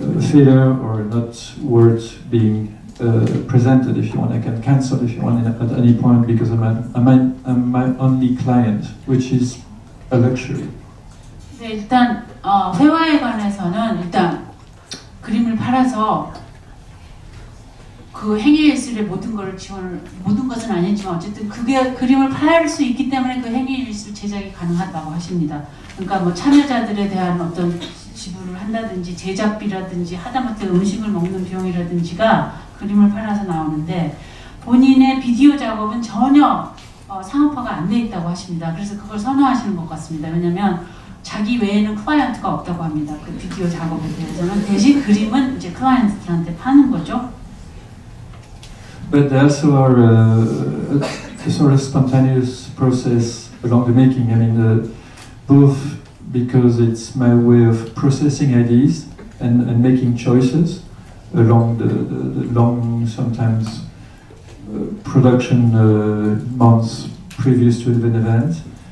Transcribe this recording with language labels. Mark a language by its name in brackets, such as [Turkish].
[English] failure or not worth being presented, if you want. I can cancel if you want at any point because I'm my only client, which is a luxury. [Korean] 네, 일단 회화에 관해서는 일단 그림을 팔아서 그 행위 일수를 모든 것을 지원을 모든 것은 아니지만 어쨌든 그게 그림을 팔 수 있기 때문에 그 행위 일수 제작이 가능하다고 하십니다. 그러니까 뭐 참여자들에 대한 어떤 지불을 한다든지 제작비라든지 하다못해 음식을 먹는 비용이라든지가 그림을 팔아서 나오는데 본인의 비디오 작업은 전혀 상업화가 안 돼 있다고 하십니다. 그래서 그걸 선호하시는 것 같습니다. 왜냐하면 자기 외에는 클라이언트가 없다고 합니다. 그 비디오 작업에 대해서는 대신 그림은 이제 클라이언트들한테 파는 거죠. [English] But there also are a sort of spontaneous process along the making. I mean, both because it's my way of processing ideas and making choices along the long, sometimes production months previous to an event.